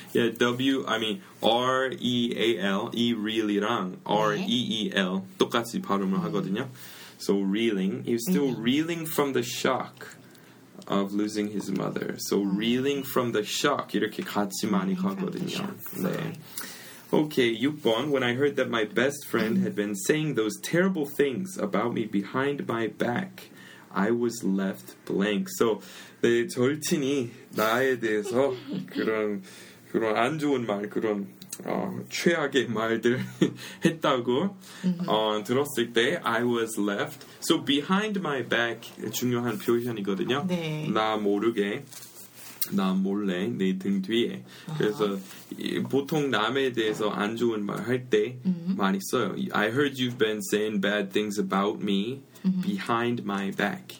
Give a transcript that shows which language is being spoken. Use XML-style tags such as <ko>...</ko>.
<en>Yeah, W. I mean R E A L E reel이랑 R E E L</en> <ko>똑같이 발음을 하거든요.</ko> <en>So reeling. He's still reeling from the shock. Of losing his mother. So, reeling from the shock.</en> <ko>이렇게 같이 많이 가거든요. 네. Okay, 6번.</ko> <en>When I heard that my best friend had been saying those terrible things about me behind my back, I was left blank.</en> <ko>So, 네, 절친이 나에 대해서 그런 안 좋은 말, 그런 최악의 말들 했다고 들었을 때</ko> <en>I was left.</en> <ko>So behind my back 중요한 표현이거든요. 네. 나 모르게 나 몰래 내 등 뒤에. 그래서 보통 남에 대해서 안 좋은 말 할 때 많이 써요.</ko> <en>I heard you've been saying bad things about me behind my back.</en>